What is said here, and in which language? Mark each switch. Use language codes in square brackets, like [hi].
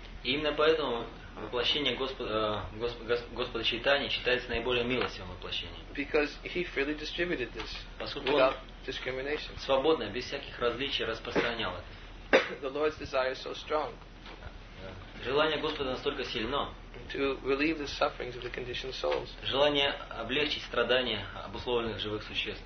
[ru] Именно поэтому воплощение Господа Чайтаньи считается наиболее милостивым воплощением. [en] Because he freely distributed this. Discrimination. [ru] Свободно, без всяких различий распространял это. [en] The Lord's desire is so strong. [ru] Желание Господа настолько сильно. [en] To relieve the sufferings of the conditioned souls. [ru] Желание облегчить страдания обусловленных живых существ.